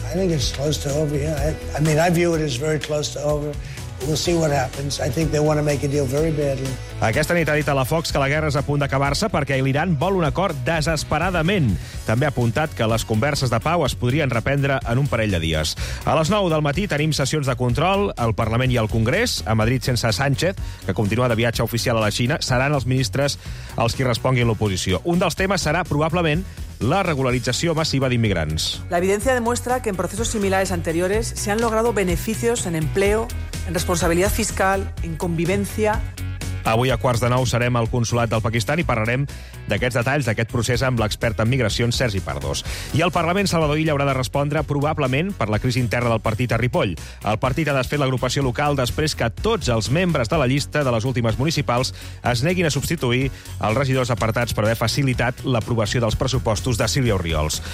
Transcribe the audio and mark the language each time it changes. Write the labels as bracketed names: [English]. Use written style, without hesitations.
[English] I think it's close to over, yeah. I mean, I view it as very close to over. We'll see what happens. I think they want to make a deal very badly. [Catalan] Aquesta nit ha dit a la Fox que la guerra és a punt d'acabar-se perquè l'Iran vol un acord desesperadament. També ha apuntat que les converses de pau es podrien reprendre en un parell de dies. A les 9 del matí tenim sessions de control al Parlament i al Congrés, a Madrid sense Sánchez, que continua de viatge oficial a la Xina. Seran els ministres els qui responguin l'oposició. Un dels temes serà, probablement, la regularització masiva d'immigrants. [Spanish] La evidencia demuestra que en procesos similares anteriores se han logrado beneficios en empleo, en responsabilidad fiscal, en convivencia... [Catalan] Avui a 9:15 serem al consolat del Pakistan i parlarem d'aquests detalls d'aquest procés amb l'expert en migracions Sergi Pardós. I el Parlament, Salvador Illa, haurà de respondre probablement per la crisi interna del partit a Ripoll. El partit ha desfet l'agrupació local després que tots els membres de la llista de les últimes municipals es neguin a substituir els regidors apartats per haver facilitat l'aprovació dels pressupostos de Sílvia Orriols.